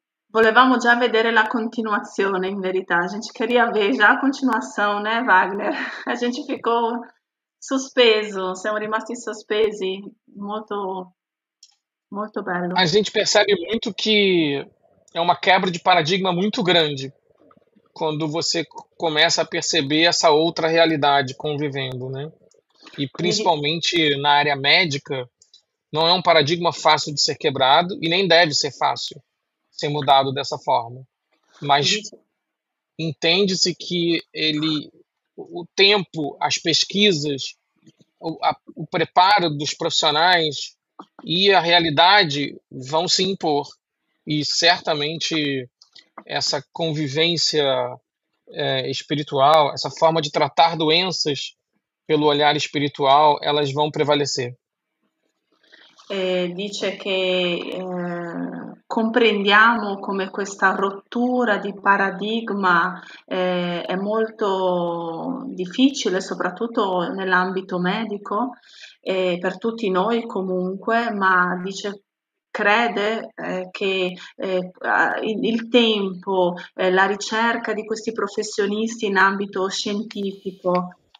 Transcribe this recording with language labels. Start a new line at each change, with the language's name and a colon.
Italian: Volevamo già vedere la continuazione, in verità.
Portuguese: A gente queria ver già a continuação, né, Wagner? A gente ficou sospeso,
Italian: siamo rimasti sospesi. Molto, molto bello.
Portuguese: A gente percebe muito que é uma quebra de paradigma muito grande quando você começa a perceber essa outra realidade convivendo, né? E principalmente na área médica, não é um paradigma fácil de ser quebrado e nem deve ser fácil ser mudado dessa forma. Mas entende-se que ele, o tempo, as pesquisas, o preparo dos profissionais e a realidade vão se impor. E certamente essa convivência espiritual, essa forma de tratar doenças pelo olhar espiritual, elas vão prevalecer.
Italian: Dice che compreendiamo come questa rottura di paradigma è molto difficile, soprattutto nell'ambito medico, per tutti noi comunque, ma dice crede che il tempo, la ricerca di questi professionisti in ambito scientifico